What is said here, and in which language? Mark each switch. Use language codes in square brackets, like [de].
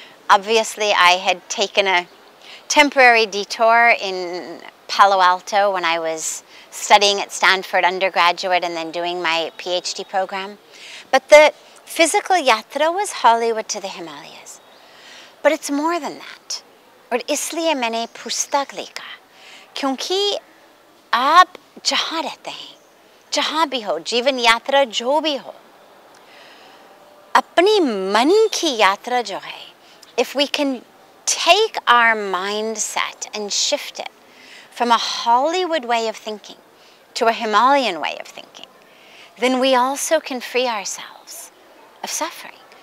[en] Obviously, I had taken a temporary detour in Palo Alto when I was studying at Stanford undergraduate and then doing my PhD program. But the physical yatra was Hollywood to the Himalayas. But it's more than that. [hi] और इसलिए मैंने पुस्तक लिखा, क्योंकि आप जहां रहते हैं, जहां भी हो, जीवन यात्रा जो भी हो, अपनी मन की यात्रा जो है, [en] if we can take our mindset and shift it from a Hollywood way of thinking to a Himalayan way of thinking, then we also can free ourselves of suffering.